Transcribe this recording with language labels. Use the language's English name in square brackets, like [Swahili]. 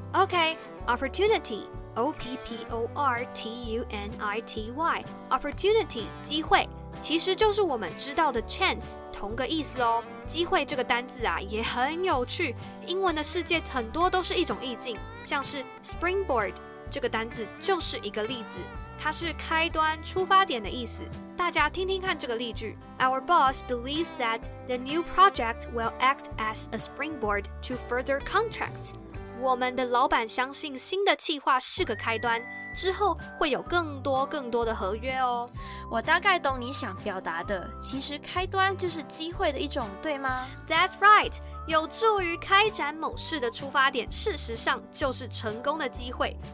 [Chinese] OK， opportunity O-P-P-O-R-T-U-N-I-T-Y， opportunity 机会，其实就是我们知道的 chance， 同个意思哦。机会这个单字啊也很有趣，英文的世界很多都是一种意境，像是 springboard 这个单字就是一个例子，它是开端、出发点的意思。大家听听看这个例句 [English] ：Our boss believes that the new project will act as a springboard to further contracts. [Chinese] 我们的老板相信新的企划是个开端，之后会有更多更多的合约哦。我大概懂你想表达的，其实开端就是机会的一种，对吗 [English] ？That's right. [Chinese] 有助于开展某事的出发点，事实上就是成功的机会。